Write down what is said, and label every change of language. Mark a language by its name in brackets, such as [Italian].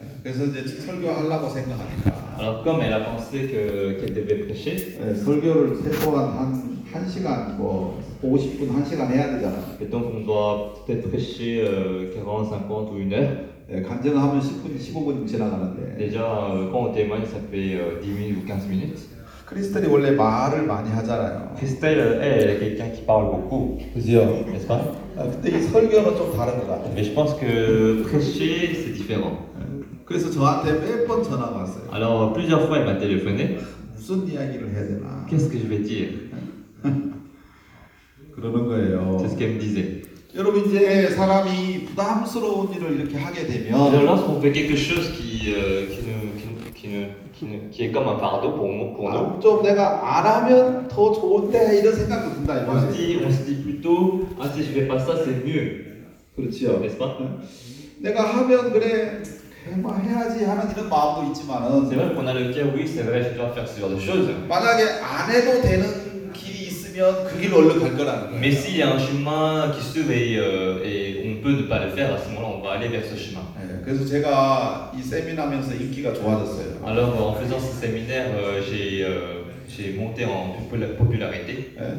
[Korean] 그래서 이제 설교하려고 생각하니까. [French] Alors comme elle a pensé qu'elle devait prêcher. [Korean] 설교를 최소한 한 1시간 해야 되잖아. [French] Et donc on doit peut-être prêcher 40-50 ou 1 heure. [Korean] 간증하면 10분, 15분 지나가는데. [French] Déjà quand on témoigne ça fait 10 minutes ou 15 minutes. [Korean] 크리스텔이 원래 말을 많이 하잖아요. [French] Christelle est quelqu'un qui parle beaucoup. [Korean] 그죠? [French] N'est-ce pas? [Korean] 근데 이 설교는 좀 다른 것 같아. [French] Mais je pense que prêcher c'est différent. [Korean] 그래서 저한테 몇 번 전화가 왔어요. [French] Alors plusieurs fois elle m'a téléphoné. [Korean] 무슨 이야기를 해야 되나? [French] Qu'est-ce que je vais dire? [Korean] 그러는 거예요. [French] Qu'est-ce qu'elle me disait? [Korean] 여러분 이제 사람이 부담스러운 일을 이렇게 하게 되면 [French] Alors là, si on fait quelque chose qui est comme un fardeau pour nous. [Korean] 좀 내가 안 하면 더 좋은데 이런 생각도 든다. [French] On se dit plutôt, ah, si je fais pas ça, c'est mieux. [Korean] 그렇죠. [French] N'est-ce pas? [Korean] 내가 하면 그래 해야지 하는 이런 마음도 있지만은 제발 권한을 깨우고 [French] oui, c'est vrai, je dois faire ce genre de choses. [Korean] 만약에 안 해도 되는 길이 있으면 그 길로 얼른 갈 거라는 거예요. [French] Mais s'il y a un chemin qui s'ouvre et on peut ne pas le faire, à ce moment-là, on va aller vers ce chemin. [Korean] 그래서 제가 이 세미나 하면서 인기가 좋아졌어요. [French] Alors en faisant ce séminaire, j'ai monté en popularité.